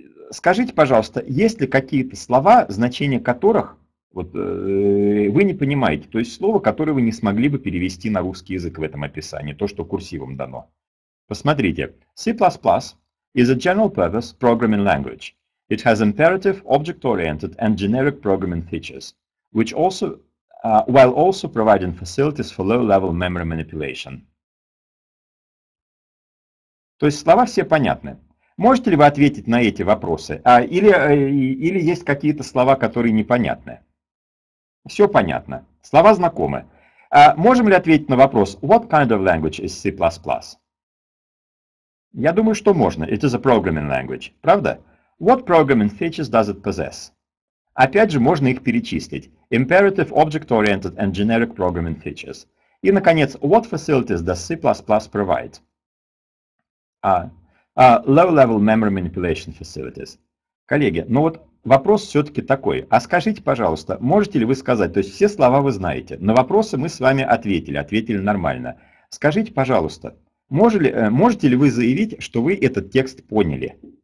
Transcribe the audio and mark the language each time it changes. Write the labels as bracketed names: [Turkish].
[Russian] Скажите, пожалуйста, есть ли какие-то слова, значение которых вы не понимаете? То есть слово, которое вы не смогли бы перевести на русский язык в этом описании, то, что курсивом дано. Посмотрите. [English] C++ is a general-purpose programming language. It has imperative, object-oriented and generic programming features, which also, while also providing facilities for low-level memory manipulation. [Russian] То есть слова все понятны. Можете ли вы ответить на эти вопросы? Или есть какие-то слова, которые непонятны? Все понятно. Слова знакомы. Можем ли ответить на вопрос [English] «What kind of language is C++?» [Russian] Я думаю, что можно. [English] It is a programming language. [Russian] Правда? [English] What programming features does it possess? [Russian] Опять же, можно их перечислить. [English] Imperative, object-oriented and generic programming features. [Russian] И, наконец, [English] What facilities does C++ provide? Low-level memory manipulation facilities. [Russian] Коллеги, ну вот вопрос все-таки такой. А скажите, пожалуйста, можете ли вы сказать, то есть все слова вы знаете, на вопросы мы с вами ответили нормально. Скажите, пожалуйста, можете ли вы заявить, что вы этот текст поняли?